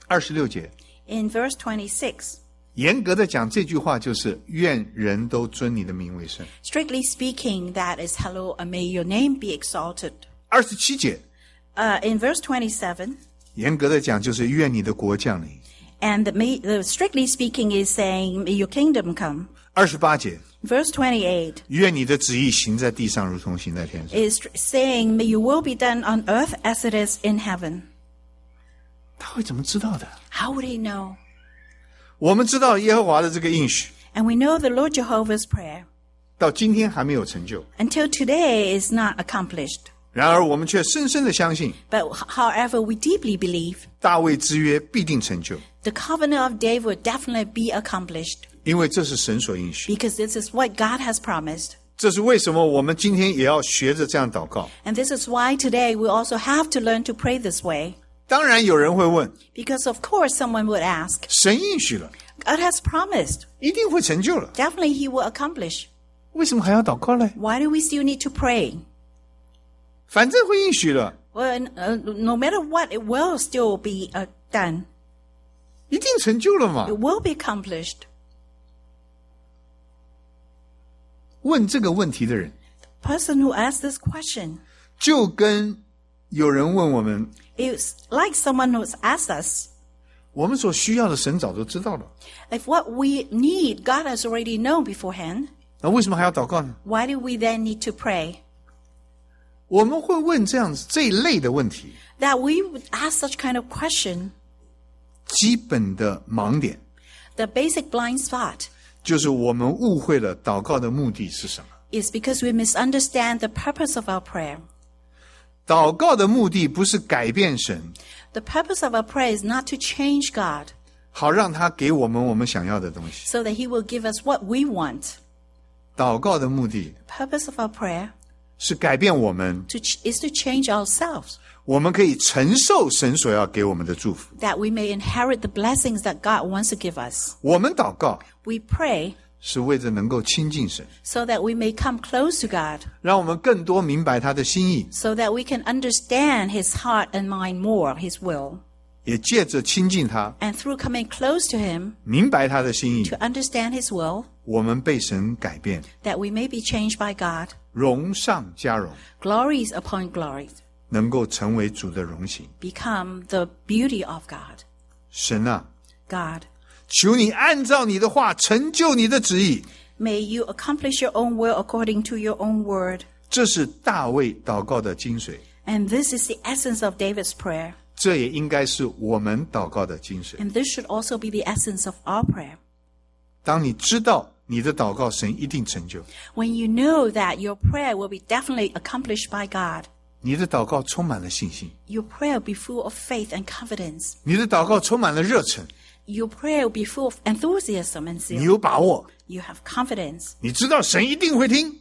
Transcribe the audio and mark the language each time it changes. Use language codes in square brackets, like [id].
[zh] 26节。 [en] In verse 26. [zh] 严格的讲这句话就是愿人都尊你的名为圣。 [en] Strictly speaking, that is hello and may your name be exalted. [zh] 27节。 [en] In verse 27. [zh] 严格的讲就是愿你的国降临。 [en] And strictly speaking is saying, may your kingdom come. [zh] 28节。 [en] Verse 28. [zh] 愿你的旨意行在地上如同行在天上。 [en] Is saying, may your will be done on earth as it is in heaven. [zh] 他会怎么知道的 [en] How would he know? [zh] 我们知道耶和华的这个应许。 [en] And we know the Lord Jehovah's prayer. [zh] 到今天还没有成就。 [en] Until today is not accomplished. [zh] 然而我们却深深地相信。 [en] But however, we deeply believe. [zh] 大卫之约必定成就。 [en] The covenant of David will definitely be accomplished. [zh] 因为这是神所应许。 [en] Because this is what God has promised. [zh] 这是为什么我们今天也要学着这样祷告。 [en] And this is why today we also have to learn to pray this way. [zh] 当然有人会问。 [en] Because of course someone would ask. [zh] 神应许了。 [en] God has promised. [zh] 一定会成就了。 [en] Definitely he will accomplish. [zh] 为什么还要祷告呢 [en] Why do we still need to pray? [zh] 反正会应许了。 [en] Well, no matter what, it will still be done. [zh] 一定成就了嘛。 [en] It will be accomplished. [zh] 问这个问题的人 [en] The person who asked this question [zh] 就跟有人问我们 [en] It's like someone who's asked us [zh] 我们所需要的神早就知道了 [en] If what we need, God has already known beforehand [zh] 那为什么还要祷告呢 [en] Why do we then need to pray? [zh] 我们会问这样这一类的问题 [en] That we would ask such kind of question [zh] 基本的盲点 [en] The basic blind spot [zh] 就是我们误会了祷告的目的是什么 [en] It's because we misunderstand the purpose of our prayer. [zh] 祷告的目的不是改变神 [en] The purpose of our prayer is not to change God. [zh] 好让他给我们我们想要的东西 [en] So that he will give us what we want. [zh] 祷告的目的 [en] The purpose of our prayer [zh] 是改变我们 [en] is to change ourselves. [zh] 我们可以承受神所要给我们的祝福 [en] That we may inherit the blessings that God wants to give us. [zh] 我们祷告 [en] We pray [zh] 是为着能够亲近神 [en] so that we may come close to God [zh] 让我们更多明白他的心意 [en] so that we can understand his heart and mind more, his will [zh] 也借着亲近他 [en] and through coming close to him [zh] 明白他的心意 [en] to understand his will [zh] 我们被神改变 [en] that we may be changed by God [zh] 荣上加荣 [en] glories upon glories [zh] 能够成为主的荣形 [en] become the beauty of God [zh] 神啊 [en] God [zh] 求你按照你的话成就你的旨意。 [en] May you accomplish your own will according to your own word. [zh] 这是大卫祷告的精髓。 [en] And this is the essence of David's prayer. [zh] 这也应该是我们祷告的精髓。 [en] And this should also be the essence of our prayer. [zh] 当你知道你的祷告神一定成就。 [en] When you know that your prayer will be definitely accomplished by God. [zh] 你的祷告充满了信心。 [en] Your prayer will be full of faith and confidence. [zh] 你的祷告充满了热忱。 [en] Your prayer will be full of enthusiasm and zeal. [zh] 你有把握。 [en] You have confidence. [zh] 你知道神一定会听。